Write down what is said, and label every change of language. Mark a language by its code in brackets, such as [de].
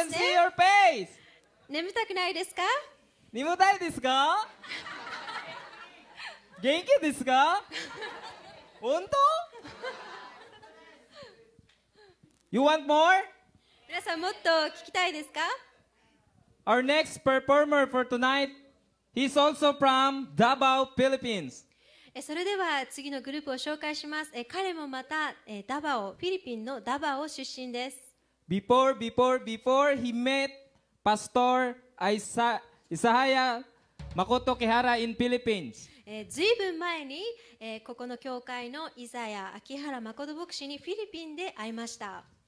[en] I can see your face. [ja] 眠たくないですか? 眠たいですか? 元気ですか?本当? [en] You want more? [ja] 皆さんもっと聞きたいですか? [en] Our next performer for tonight, he's also from Davao, Philippines. [ja] それでは次のグループを紹介します。彼もまたダバオ、フィリピンのダバオ出身です。 [en] Before he met Pastor Isahaya Makoto Kihara in Philippines. [ja] 随分前にここの教会のイザヤ・アキハラ・マコト牧師にフィリピンで会いました。